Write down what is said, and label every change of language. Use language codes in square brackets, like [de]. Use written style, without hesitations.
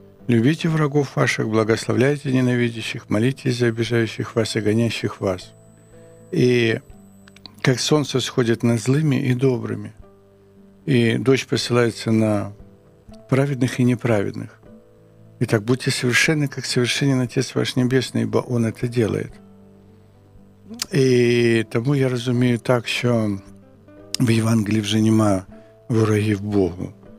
[uk] Любіть ворогів ваших, благословляйте [ru] ненавидящих, молитесь за обижающих вас и гонящих вас. [uk] І як сонце сходить над злими і добрими, і дощ посилається на праведних і неправедних. [ru] Итак, будьте совершенны, как совершенен Отец ваш Небесный, ибо Он это делает. И тому я разумею так, что в Евангелии уже нема врагов Богу.